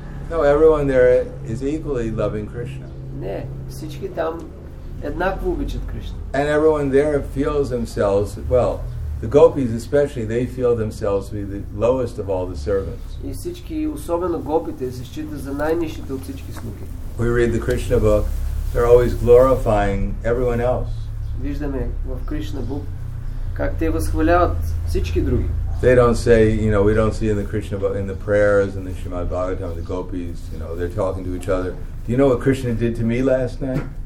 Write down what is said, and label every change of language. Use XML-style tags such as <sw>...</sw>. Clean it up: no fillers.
<en>No, everyone there is equally loving Krishna.</en> <bg>Не, всички там еднакво обичат Кришна.</bg> <en>And everyone there feels themselves well. The gopis especially, they feel themselves to be the lowest of all the servants.</en> <bg>И всички, особено гопите, се считат за най-нищите от всички слуги.</bg> <en>We read the Krishna book, they're always glorifying everyone else.</en> <bg>Виждаме в Кришна book как те възхваляват всички други.</bg> <en>They don't say, you know, we don't see in the Krishna book, in the prayers and the Srimad Bhagavatam, the gopis, you know, they're talking to each other. Do you know what Krishna did to me last night?</en>